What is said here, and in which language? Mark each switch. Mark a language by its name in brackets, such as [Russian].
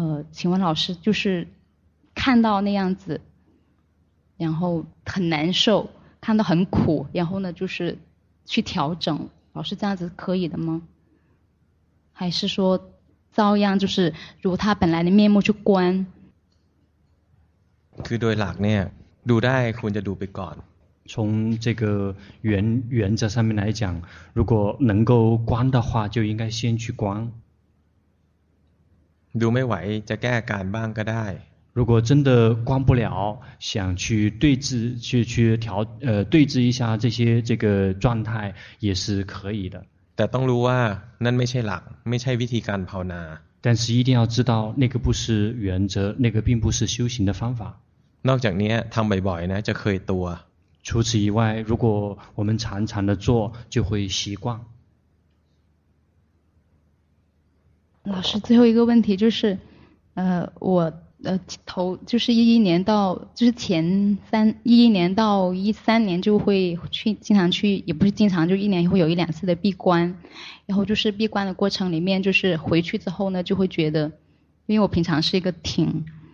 [Chinese] 请问老师，就是看到那样子，然后很难受，看到很苦，然后呢就是去调整，老师这样子可以的吗？还是说照样就是如他本来的面目去观？ [Thai] คือโดยหลักเนี่ยดูได้ควรจะดูไปก่อน [Chinese] 从这个原则上面来讲如果能够观的话就应该先去观 [Thai] ดูไม่ไหวจะแก้อาการบ้างก็ได้ [Chinese] 如果真的观不了想去对治去调对治一下这个状态也是可以的 [Thai] แต่ต้องรู้ว่านั่นไม่ใช่หลักไม่ใช่วิธีการภาวนา [Chinese] แต่是一定要知道那个不是原则那个并不是修行的方法 [Thai] นอกจากนี้ทำบ่อยๆนะจะเคยตัว [Chinese] 除此以外如果我们常常的做就会习惯老师最后一个问题就是我头就是11年到就是前三11年到13年就会去经常去也不是经常就一年会有一两次的闭关然后就是闭关的过程里面就是回去之后呢就会觉得因为我平常是一个挺